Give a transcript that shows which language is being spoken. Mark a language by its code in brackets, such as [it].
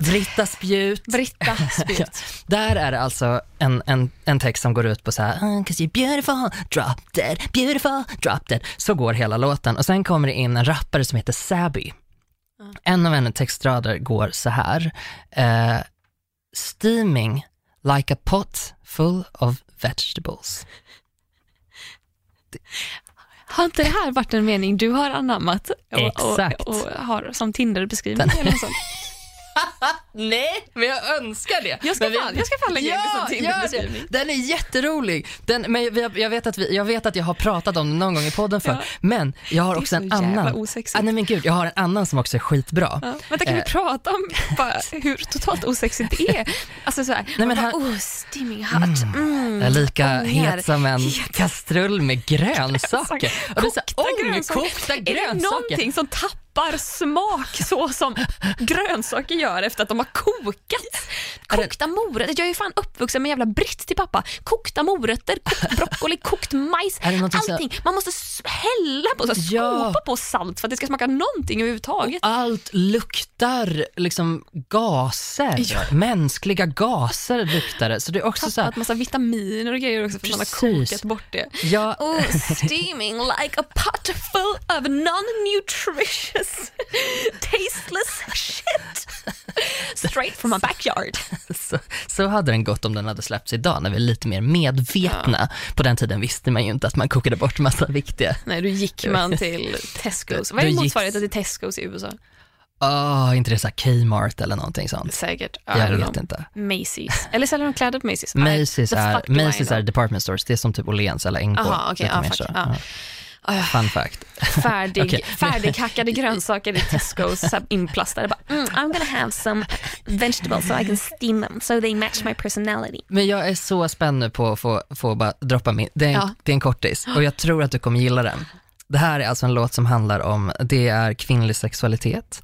[sv] Britta Spjut. Britta Spjut. Ja. Där är det alltså en text som går ut på så här, [en] 'cause you're beautiful, drop dead, [sv] beautiful, drop dead. Så går hela låten. Och sen kommer det in en rappare som heter Sabby. En av hennes textrader går så här. [en] Steaming like a pot full of vegetables. [sv] Har inte det här varit en mening du har anammat och har som Tinder-beskrivning? Nej, men jag önskar det. Jag ska fan lägga en sån till den. Den är jätterolig. Jag vet att jag har pratat om den någon gång i podden för. Ja. Men jag har också en annan. Nej men gud, jag har en annan som också är skitbra. Ja. Vänta, kan vi prata om bara hur totalt osexigt det är? Alltså så här, nej, men bara, [en] steaming hot. [sv] Jag är lika het som en kastrull med grönsaker. Och det är så kokta grönsaker. Någonting som tappar smak så som grönsaker gör efter att de har kokat. Kokta morötter. Jag är ju fan uppvuxen med jävla britt till pappa. Kokta morötter, kokt broccoli, kokt majs, allting. Så... man måste hälla på, skopa på salt för att det ska smaka någonting överhuvudtaget. Och allt luktar liksom gaser. Ja. Mänskliga gaser luktar det. Så det är också tappat så här... massa vitaminer och grejer också för att man har kokat bort det. Ja. [en] Oh, steaming like a pot full of non-nutrition. Tasteless shit. Straight from my backyard. [sv] Så hade den gått om den hade släppts idag, när vi är lite mer medvetna. På den tiden visste man ju inte att man kokade bort massa viktiga. Nej, då gick man till Tesco's. Vad är motsvarigheten till Tesco's i USA? Inte det, så här Kmart eller någonting sånt. Säkert. Jag vet inte. Macy's. Eller säljer de kläder på Macy's? Macy's är department stores. Det är som typ Åhléns eller NK. Aha, okay, lite mer så. [en] Fun fact. [sv] Färdighackade grönsaker i Tesco's, så inplastade. [en] I'm gonna have some vegetables so I can steam them so they match my personality. [sv] Men jag är så spänd nu på att få bara droppa min. Det är en kortis och jag tror att du kommer gilla den. Det här är alltså en låt som handlar om, det är kvinnlig sexualitet.